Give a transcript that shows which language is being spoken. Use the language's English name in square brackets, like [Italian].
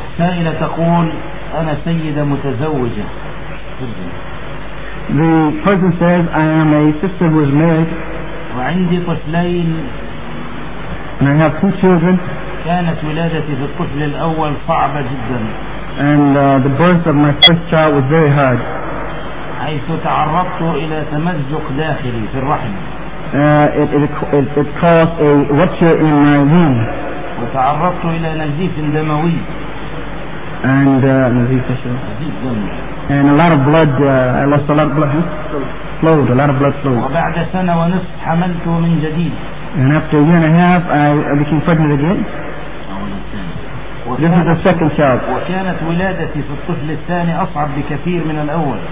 [Arabic] سائلة تقول أنا سيدة متزوجة. [English] The person says I am a sister who is married. [Arabic] وعندي طفلين. [English] And I have two children. [Arabic] كانت ولادتي في الطفل الأول صعبة جدا. [English] And the birth of my first child was very hard. [Arabic] حيث تعرضت إلى تمزق داخلي في الرحم. [English] It caused a rupture in my womb. [Arabic] وتعرضت إلى نزيف دموي. [English] And [Arabic] نزيف دموي. [English] And a lot of blood. I lost a lot of blood. Flowed. A lot of blood flowed. [Arabic] وبعد سنة ونصف حملت من جديد. [English] And after a year and a half, I became pregnant again. This is the second child. [Arabic] وكانت ولادتي في الطفل الثاني أصعب بكثير من الأول.